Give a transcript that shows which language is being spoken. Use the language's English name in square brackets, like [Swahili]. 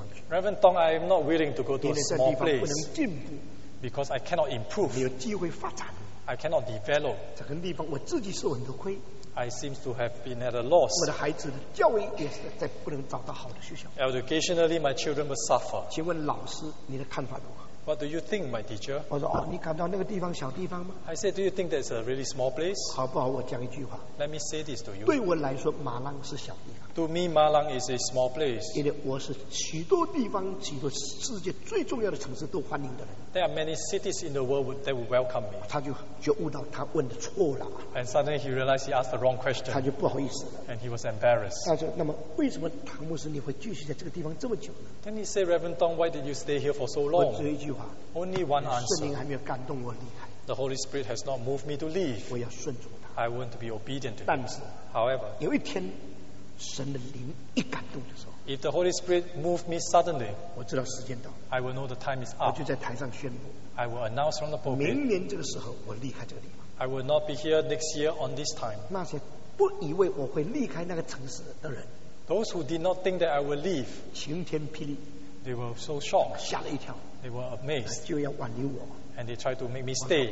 [English] Reverend Tong, I am not willing to go to a small place because I cannot improve. [Chinese] 没有机会发展, [English] I cannot develop. [Chinese] 这个地方, [English] I seem to have been at a loss. [Chinese] 我的孩子的教育也是在不能找到好的学校。 [English] Educationally, my children will suffer. [Chinese] 请问老师, [English] what do you think, my teacher? [Chinese] 我说, 哦, 你感到那个地方小地方吗? [English] I said, do you think that's a really small place? [Chinese] 好不好, 我讲一句话, [English] let me say this to you. [Chinese] 对我来说, 马浪是小地方。 [English] To me, Malang is a small place. [Chinese] 因为我是许多地方, 许多世界最重要的城市都欢迎的人。 [English] There are many cities in the world that would welcome me. [Chinese] 他就觉悟到, 他问得错了。 [English] And suddenly he realized he asked the wrong question. [Chinese] 他就不好意思了。 [English] And he was embarrassed. [Chinese] 他说, 那么为什么, 唐牧师你会继续在这个地方这么久呢? [English] Then he said, Reverend Tong, why did you stay here for so long? [Chinese] 我只有一句话, [English] only one answer. [Chinese] 圣灵还没有感动我厉害。 [English] The Holy Spirit has not moved me to leave. [Chinese] 我要顺从他。 [English] I want to be obedient to him. [Chinese] 但是, [English] however, [Chinese] 有一天, 神的灵一感动的时候, [English] if the Holy Spirit moved me suddenly, [Chinese] 我知道时间到, [English] I will know the time is up. [Chinese] 我就在台上宣布, [English] I will announce from the pulpit, [Chinese] 明年这个时候, 我离开这个地方, [English] I will not be here next year on this time. [Chinese] 那些不以为我会离开那个城市的人, [English] those who did not think that I will leave, [Chinese] 晴天霹雳, [English] they were so shocked, [Chinese] 吓了一跳, [English] they were amazed, [Chinese] 就要挽留我, [English] and they tried to make me stay.